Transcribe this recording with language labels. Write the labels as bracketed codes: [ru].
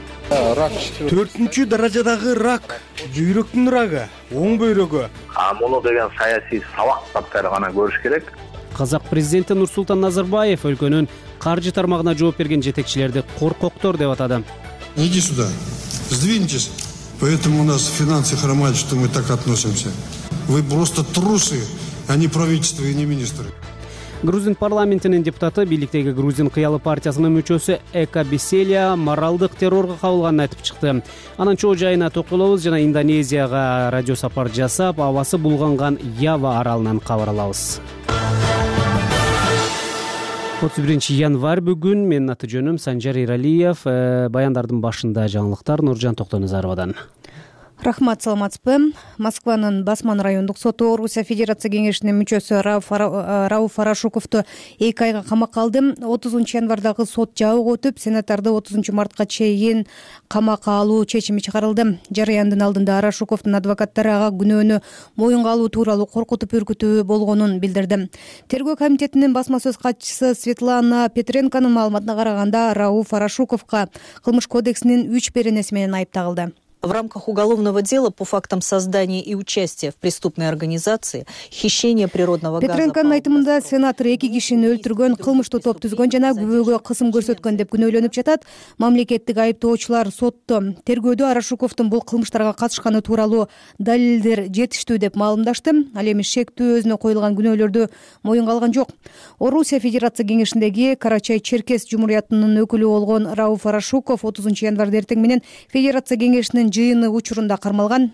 [ky] 4-чү даражадагы рак, жүйрөктүн рагы, оң бөйрөгү. Муну деген саясий сабак катары гана көрүш керек. Казак президенти Нурсултан Назарбаев өлкөнүн каржы тармагына жооп берген жетекчилерди коркоктор деп атады. [ru] Иди сюда, сдвиньтесь. Поэтому у нас финансы хромают, что мы так относимся. Вы просто трусы, а не правительство и не министры. [ky] Грузин парламентинин депутаты, бийликтеги грузин кыялы партиясынын мүчөсү Эка Беселия моралдык террорго кабылганын айтып чыкты. Анан чоо жайына токтолобуз жана Индонезияга радиосапар жасап, абасы булганган Ява аралынан кабар алабыз. 31 январь бүгүн, менин аты жөнүм Санжар Иралиев, баяндардын башында жаңылыктар Нуржан Токтоназаровадан. Рахмат, саламатсызбы. Москванын Басман райондук соту Орусия Федерация кеңешинин мүчөсү Рауф Арашуковду 2 айга камакка алды. 30 январдагы сот жабык өтүп, сенаторду 30 мартка чейин камакка алуу чечими чыгарылды. Жараяндын алдында Арашуковдун адвокаттары ага күнөөнү моюнга алуу тууралуу коркутуп үркүтүү болгонун билдирди. Тергөө комитетинин басма сөз катчысы Светлана Петренконун маалыматына караганда, Рауф Арашуковго кылмыш кодексинин 3 беренеси менен айып тагылды. [ru] В рамках уголовного дела по фактам создания и участия в преступной организации хищения природного [ky] Петренконун айтымында сенатор эки кишини өлтүргөн, кылмыштуу топ түзгөн жана күбөгө кысым көрсөткөн деп күнөөлөнүп жатат. Мамлекеттик айыптоочулар сотто тергөөдө Арашуковдун бул кылмыштарга катышканы тууралуу далилдер жетиштүү деп маалымдашты. Ал эми шектүү өзүнө коюлган күнөөлөрдү моюнга алган жок. Орусия Федерация кеңешиндеги Карачай Черкес Жумуриятынын өкүлү болгон Рауф Арашуков 30 январда эртең менен Федерация кеңешинин жыйыны учурунда кармалган.